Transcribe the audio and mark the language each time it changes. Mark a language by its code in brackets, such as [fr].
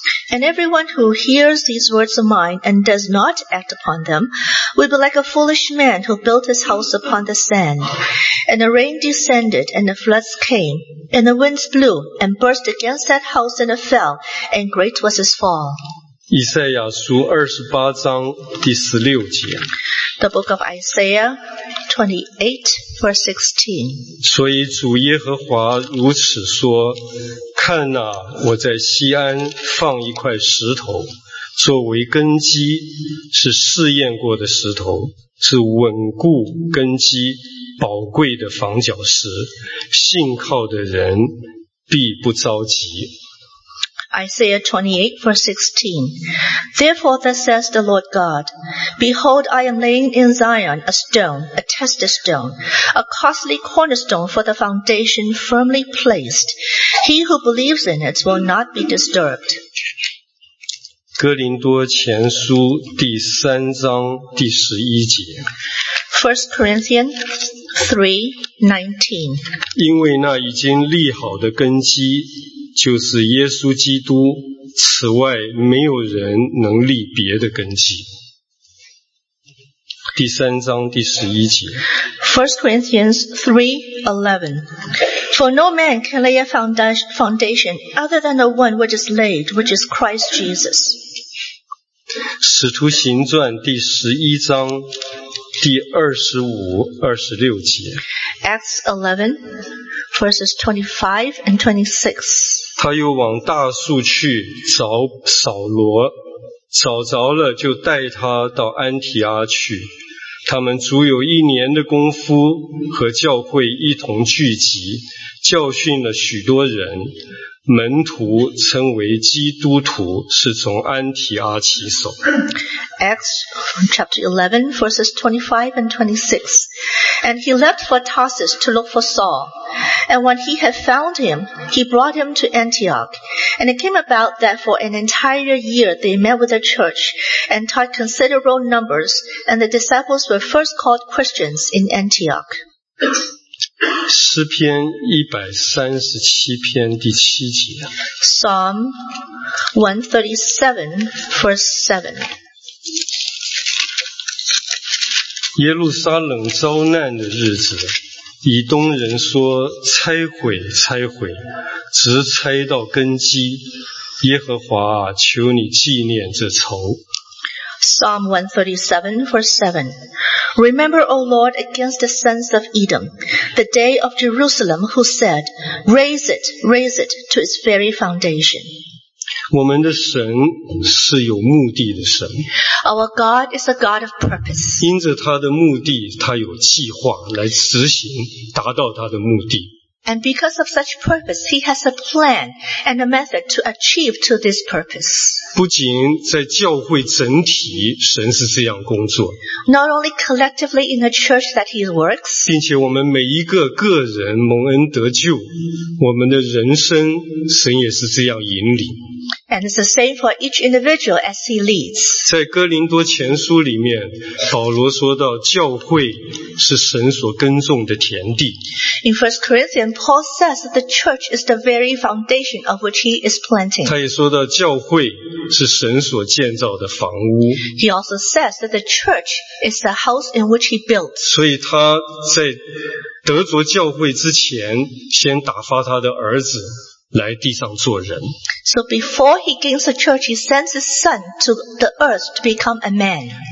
[en] And everyone who hears these words of mine and does not act upon them will be like a foolish man who built his house upon the sand. And the rain descended, and the floods came, and the winds blew, and burst against that house, and it fell, and great was his fall. [zh] 以赛亚书二十八章第十六节。 [en] The book of Isaiah 28 verse 16. [zh] 所以主耶和华如此说，看哪，我在锡安放一块石头作为根基，是试验过的石头，是稳固根基宝贵的房角石，信靠的人必不着急。 [en] Isaiah 28 verse 16. Therefore thus says the Lord God, Behold, I am laying in Zion a stone, a tested stone, a costly cornerstone for the foundation firmly placed. He who believes in it will not be disturbed. [zh] 哥林多前书第三章第十一节。 [en] First Corinthians 3:19. [zh] 因为那已经立好的根基就是耶稣基督，此外没有人能立别的根基。第三章第十一节。 [en] First Corinthians 3:11. For no man can lay a foundation other than the one which is laid, which is Christ Jesus. [zh] 使徒行传第十一章第二十五、二十六节。 [en] Acts 11 verses 25 and 26. [zh] 他又往大树去找扫罗，找着了就带他到安提阿去。他们足有一年的功夫，和教会一同聚集，教训了许多人。门徒称为基督徒，是从安提阿起手。 [en] Acts chapter 11 verses 25 and 26. And he left for Tarsus to look for Saul. And when he had found him, he brought him to Antioch. And it came about that for an entire year they met with the church and taught considerable numbers, and the disciples were first called Christians in Antioch. [zh] 诗篇137篇第七节。 [en] Psalm 137 verse 7。 [zh] 耶路撒冷遭难的日子，以东人说拆毁拆毁，直拆到根基。耶和华啊，求你纪念这仇。 [en] Psalm Psalm 137, verse 7. Remember, O Lord, against the sons of Edom, the day of Jerusalem, who said, raise it to its very foundation. [zh] 我们的神是有目的的神。 [en] Our God is a God of purpose. [zh] 因着他的目的, 他有计划来执行, 达到他的目的。 [en] And because of such purpose, he has a plan and a method to achieve to this purpose. [zh] 不仅在教会整体, 神是这样工作, [en] not only collectively in the church that he works, [zh] 并且我们每一个个人蒙恩得救, 我们的人生, 神也是这样引领。 [en] And it's the same for each individual as he leads. [zh] 在哥林多前书里面, 保罗说到, 教会是神所耕种的田地。 [en] In 1 Corinthians, Paul says that the church is the very foundation of which he is planting. [zh] 他也说到教会是神所建造的房屋。 [en] He also says that the church is the house in which he built. [zh] 所以他在得着教会之前, 先打发他的儿子。来地上做人。 [en] So before he gains the church, he sends his son to the earth to become a man.